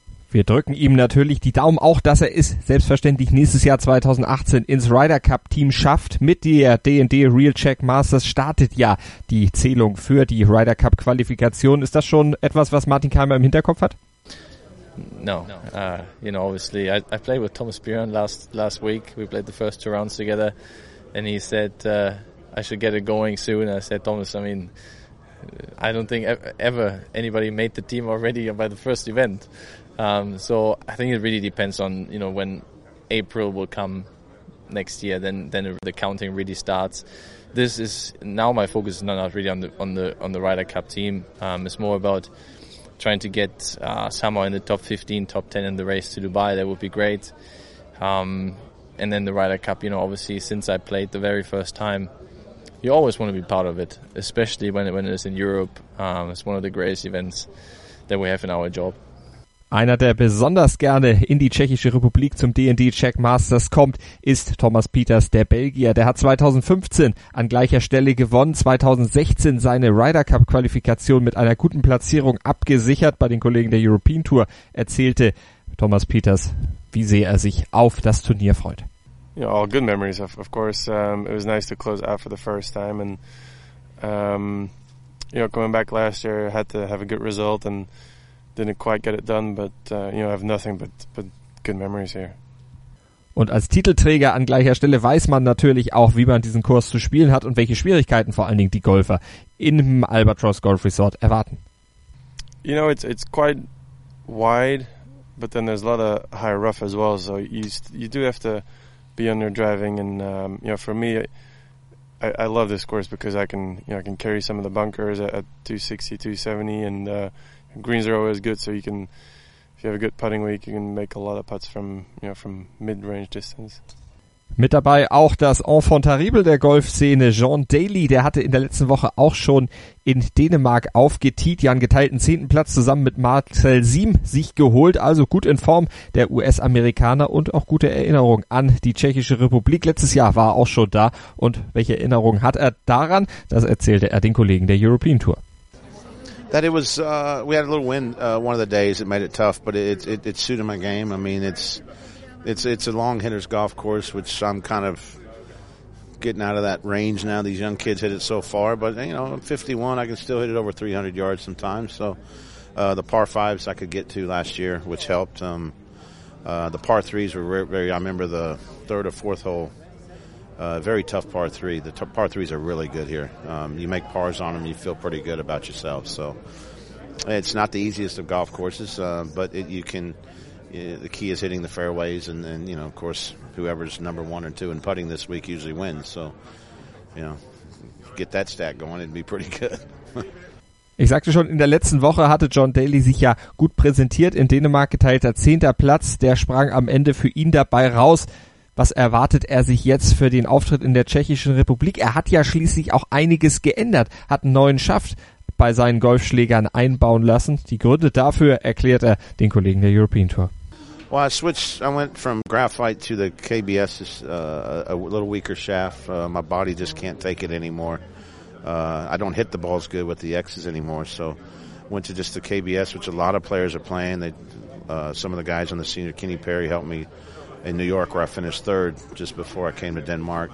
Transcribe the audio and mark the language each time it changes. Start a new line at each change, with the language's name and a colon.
German: Wir drücken ihm natürlich die Daumen, auch dass er es selbstverständlich nächstes Jahr 2018 ins Ryder Cup Team schafft. Mit der D&D Real Czech Masters startet ja die Zählung für die Ryder Cup Qualifikation. Ist das schon etwas, was Martin Keimer im Hinterkopf hat?
English: No. You know, obviously, I played with Thomas Bjørn last week. We played the first 2 rounds together and he said I should get it going soon. I said, Thomas, I mean, I don't think ever anybody made the team already by the first event. So I think it really depends on, you know, when April will come next year, then the counting really starts. This is now my focus is not really on the Ryder Cup team. It's more about trying to get somewhere in the top 15, top 10 in the race to Dubai. That would be great. And then the Ryder Cup, you know, obviously since I played the very first time, you always want to be part of it, especially when it's in Europe. It's one of the greatest events that we have in our job.
German: Einer, der besonders gerne in die Tschechische Republik zum D&D Czech Masters kommt, ist Thomas Peters, der Belgier. Der hat 2015 an gleicher Stelle gewonnen, 2016 seine Ryder Cup Qualifikation mit einer guten Platzierung abgesichert. Bei den Kollegen der European Tour erzählte Thomas Peters, wie sehr er sich auf das Turnier freut.
English: Yeah, all good memories, of course. It was nice to close out for the first time and you know, coming back last year, had to have a good result and didn't quite get it done, but you know, I have nothing but good memories here.
German: Und als Titelträger an gleicher Stelle weiß man natürlich auch, wie man diesen Kurs zu spielen hat und welche Schwierigkeiten vor allen Dingen die Golfer im Albatross Golf Resort erwarten.
English: You know, it's quite wide, but then there's a lot of high rough as well, so you do have to be on your driving and you know, for me I love this course because I can, you know, I can carry some of the bunkers at 260, 270 and greens are always good, so you can, if you have a good putting week, you can make a lot of putts from, you know, from mid-range distance.
German: Mit dabei auch das Enfant terrible der Golfszene, John Daly, der hatte in der letzten Woche auch schon in Dänemark aufgeteet, ja, einen geteilten 10. Platz zusammen mit Marcel Siem sich geholt, also gut in Form der US-Amerikaner und auch gute Erinnerung an die Tschechische Republik. Letztes Jahr war er auch schon da und welche Erinnerung hat er daran? Das erzählte er den Kollegen der European Tour.
English: That it was, we had a little wind one of the days. It made it tough, but it suited my game. I mean, it's a long hitter's golf course, which I'm kind of getting out of that range now. These young kids hit it so far, but you know, I'm 51, I can still hit it over 300 yards sometimes. So the par fives I could get to last year, which helped. The par threes were very. I remember the third or fourth hole. Very tough par three. The par threes are really good here. You make pars on them, you feel pretty good about yourself. So it's not the easiest of golf courses, but the key is hitting the fairways, and you know, of course, whoever's number one or two in putting this week usually wins. So, you know, get that stat going, it'd be pretty good.
German: Ich sagte schon, in der letzten Woche hatte John Daly sich ja gut präsentiert. In Dänemark geteilter 10. Platz, der sprang am Ende für ihn dabei raus. Was erwartet er sich jetzt für den Auftritt in der Tschechischen Republik? Er hat ja schließlich auch einiges geändert, hat einen neuen Schaft bei seinen Golfschlägern einbauen lassen. Die Gründe dafür erklärt er den Kollegen der European Tour.
English: Well, I went from graphite to the KBS, a little weaker shaft. My body just can't take it anymore. I don't hit the balls good with the X's anymore, so went to just the KBS, which a lot of players are playing. Some of the guys on the senior, Kenny Perry, helped me in New York, where I finished third just before I came to Denmark.